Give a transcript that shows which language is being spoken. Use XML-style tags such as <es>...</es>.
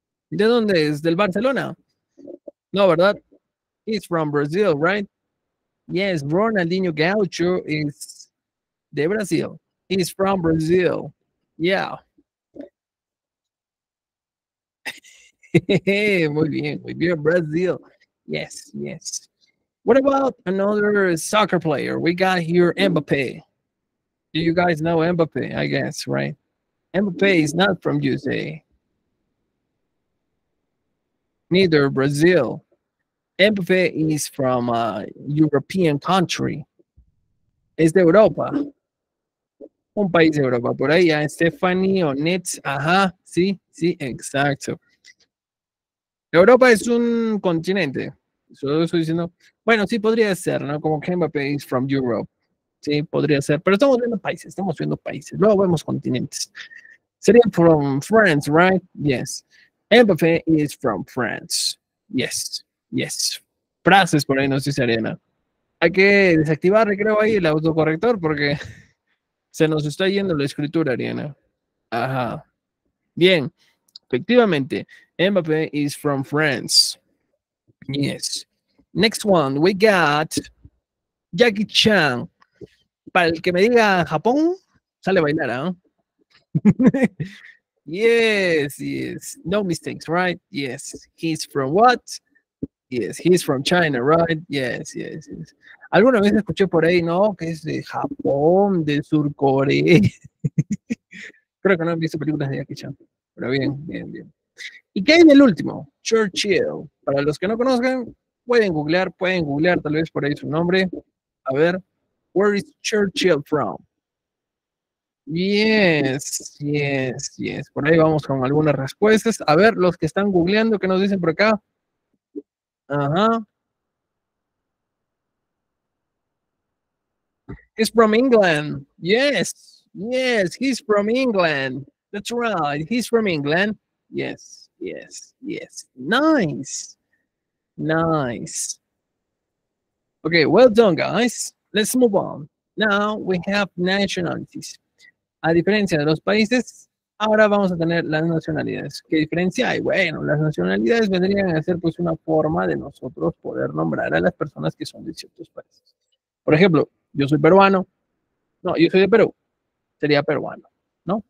<es>¿De dónde es? ¿Del Barcelona? No, ¿verdad?</es> <en>He's from Brazil, right? Yes, Ronaldinho Gaucho is</en> <es>de Brasil.</es> <en>He's from Brazil. Yeah.</en> <es>Muy bien, muy bien, Brazil.</es> <en>Yes, yes. What about another soccer player? We got here Mbappé. Do you guys know Mbappé, I guess, right? Mbappé is not from USA. Neither Brazil. Mbappé is from a European country.</en> <es>Es de Europa. Un país de Europa. Por ahí, Stephanie o Nitz. Ajá, sí, sí, exacto. Europa es un continente. Solo estoy diciendo, bueno, sí podría ser, ¿no? Como que Mbappé</es> <en>is from Europe.</en> <es>Sí, podría ser. Pero estamos viendo países. Luego vemos continentes. Sería</es> <en>from France, right? Yes. Mbappé is from France. Yes, yes.</en> <es>Frases por ahí, no sé si Arena. Hay que desactivar, creo, ahí el autocorrector porque se nos está yendo la escritura, Arena. Ajá. Bien, efectivamente,</es> <en>Mbappé is from France. Yes. Next one, we got Jackie Chan.</en> <es>Para el que me diga Japón, sale a bailar, ¿eh?</es> <en>Yes, yes. No mistakes, right? Yes. He's from what? Yes, he's from China, right? Yes, yes, yes.</en> <es>¿Alguna vez escuché por ahí, no? Que es de Japón, de Sur Corea. Creo que no han visto películas de Jackie Chan. Pero bien, bien, bien. ¿Y qué hay en el último? Churchill. Para los que no conozcan, pueden googlear tal vez por ahí su nombre. A ver,</es> <en>where is Churchill from? Yes, yes, yes.</en> <es>Por ahí vamos con algunas respuestas. A ver, los que están googleando, ¿qué nos dicen por acá? Ajá.</es> <en>He's from England. Yes, yes, he's from England. That's right, he's from England. Yes, yes, yes. Nice, nice. Okay, well done, guys. Let's move on. Now we have nationalities.</en> <es>A diferencia de los países, ahora vamos a tener las nacionalidades. ¿Qué diferencia hay? Bueno, las nacionalidades vendrían a ser pues una forma de nosotros poder nombrar a las personas que son de ciertos países. Por ejemplo, yo soy peruano. No, yo soy de Perú. Sería peruano, ¿no?</es>